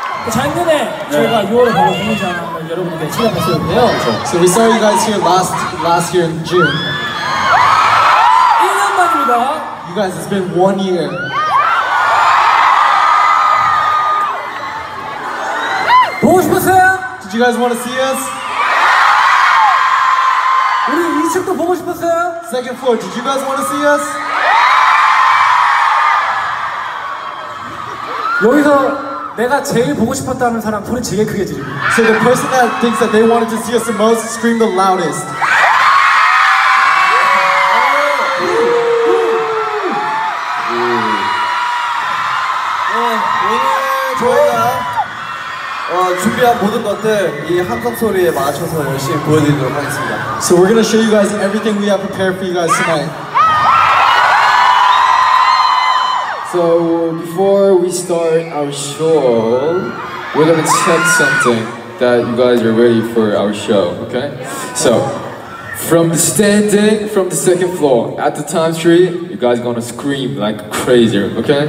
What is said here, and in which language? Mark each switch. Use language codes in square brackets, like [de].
[ko] 작년에 저희가 6월에 방송 현장 여러분들 찾아가 있었는데요. [en] So we saw you guys here last year in June. [ko] 1년 만입니다. [en] You guys, it's been 1 year. [ko] 보고 싶으세요? [en] Did you guys want to see us? [ko] 우리 2층도 보고 싶으세요? [en] Second floor, did you guys want to see us? [ko] 여기서 내가 제일 보고 싶었다는 사람 소리 제일 크게 지르고. [en] So the person that thinks that they wanted to see us the most, scream the loudest. [ko] 오늘 저희가 준비한 모든 것들 이 한컵 소리에 맞춰서 열심히 보여드리도록 하겠습니다. [en] So we're gonna show you guys everything we have prepared for you guys tonight. So before we start our show, we're gonna check something that you guys are ready for our show, okay? So from the standing, from the second floor, at the time tree, you guys are gonna scream like crazy, okay?